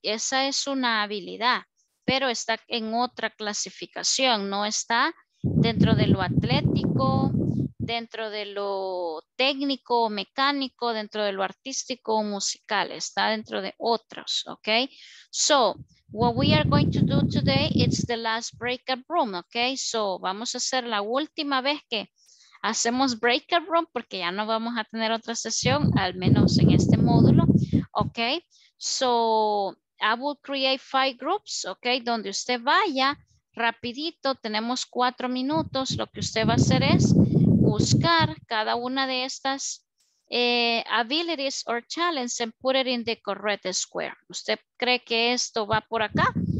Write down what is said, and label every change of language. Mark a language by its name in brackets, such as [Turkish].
[Spanish] Esa es una habilidad, pero está en otra clasificación. No está dentro de lo atlético, dentro de lo técnico, mecánico, dentro de lo artístico, musical, está dentro de otros, ¿ok? [English] So, what we are going to do today, it's the last breakout room, ¿ok? [Spanish] So, vamos a hacer la última vez que hacemos breakout room, porque ya no vamos a tener otra sesión, al menos en este módulo, ¿ok? [English] So, I will create 5 groups, ¿ok? [Spanish] Donde usted vaya, rapidito, tenemos 4 minutos, lo que usted va a hacer es buscar cada una de estas abilities or challenges and put it in the correct square. ¿Usted cree que esto va por acá?